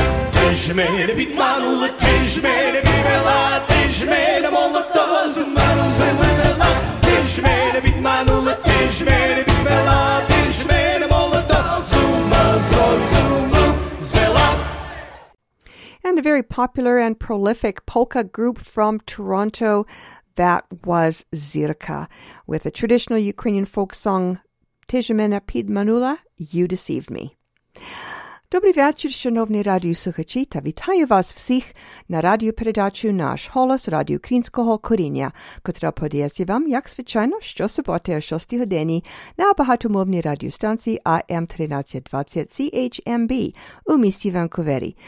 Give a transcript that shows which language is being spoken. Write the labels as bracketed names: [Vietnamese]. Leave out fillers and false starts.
[Ukrainian] Ти ж мене відманула, ти ж мене відвела, ти ж мене молодо, з морозом звела. Ти ж мене відманула, ти ж мене відвела, ти ж мене молодо, з морозом звела. [English] And a very popular and prolific polka group from Toronto, that was Zirka, with a traditional Ukrainian folk song, [Ukrainian] Ти ж мене підманула, [English] You Deceived Me. [Ukrainian] Добрий вечір, шановні радіослухачі, та вітаю вас всіх на радіопередачу «Наш голос» Радіо Українського коріння, котра подається вам, як звичайно, щосуботи о 6-й годині на багатомовній радіостанції AM1320 CHMB у місті Ванкувері.